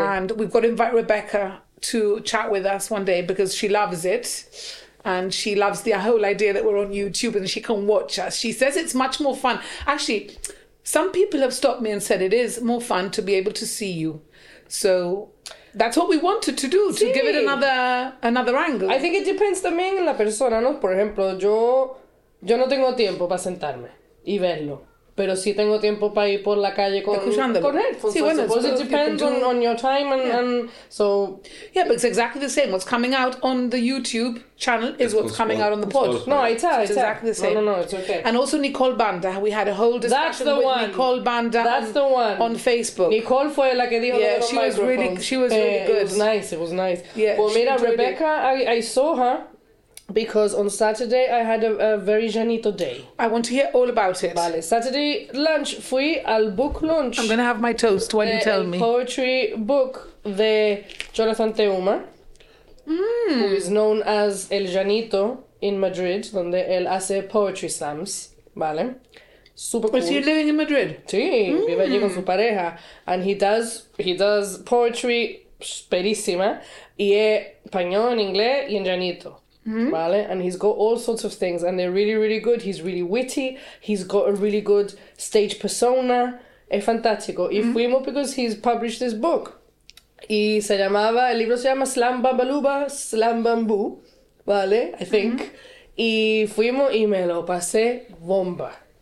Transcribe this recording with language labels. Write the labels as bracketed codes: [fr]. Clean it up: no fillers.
[en] And we've got to invite Rebecca to chat with us one day because she loves it. And she loves the whole idea that we're on YouTube and she can watch us. She says it's much more fun. Actually, some people have stopped me and said it is more fun to be able to see you. So that's what we wanted to do, sí. To give it another angle. I think it depends [es] también en la persona, ¿no? Por ejemplo, yo no tengo tiempo para sentarme y verlo. Pero sí tengo tiempo para ir por la calle con él. Sí, bueno, [en] so it depends on your time and so... Yeah, but it's exactly the same. What's coming out on the YouTube channel is what's coming out on the pod. No, it's exactly the same. No, it's okay. And also Nicole Banda. We had a whole discussion with Nicole Banda on Facebook. [es] Nicole fue la que dijo [en] los microphones. Yeah, she was really good. It was nice. Yeah, well, mira, Rebecca, I saw her. Because on Saturday I had a very Janito day. I want to hear all about it. Vale. Saturday lunch, [es] fui al [en] book launch. I'm going to have my toast while you tell me. Poetry book de Jonathan Teuma, who is known as El Janito in Madrid, [es] donde él hace [en] poetry slams. Vale. Super cool. Is he living in Madrid? [es] Sí, vive allí con su pareja. [en] And he does poetry [es] perísima. Y es español, en inglés y en Janito. Mm-hmm. [en] Vale, and he's got all sorts of things, and they're really, really good. He's really witty. He's got a really good stage persona. [es] Es fantástico. [en] Mm-hmm. [es] Y fuimos [en] because he's published this book. [es] Y se llamaba, el libro se llama Slam Babaluba, Slam Bamboo. Vale, [en] I think. [es] Mm-hmm. Y fuimos y me lo pasé bomba.